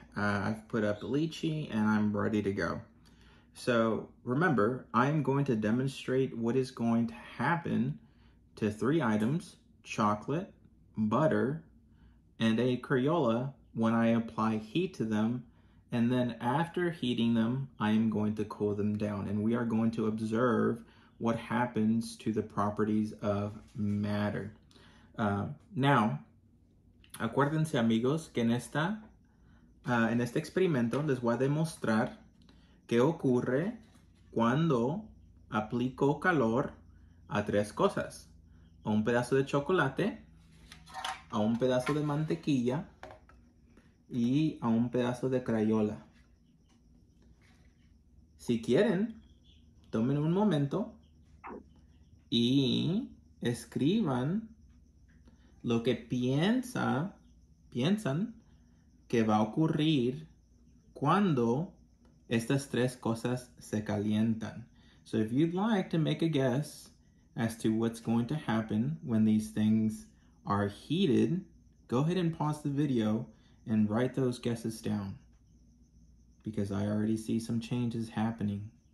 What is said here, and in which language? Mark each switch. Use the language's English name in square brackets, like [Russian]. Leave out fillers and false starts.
[English] I've put up lychee and I'm ready to go. So remember, I'm going to demonstrate what is going to happen to three items, chocolate, butter, and a Crayola when I apply heat to them. And then after heating them, I am going to cool them down and we are going to observe what happens to the properties of matter. [Spanish] Now, acuérdense amigos que en esta en este experimento les voy a demostrar qué ocurre cuando aplico calor a tres cosas. A un pedazo de chocolate, a un pedazo de mantequilla y a un pedazo de Crayola. Si quieren, tomen un momento y escriban lo que piensan que va a ocurrir cuando estas tres cosas se calientan. [English] So if you'd like to make a guess as to what's going to happen when these things are heated, go ahead and pause the video and write those guesses down because I already see some changes happening.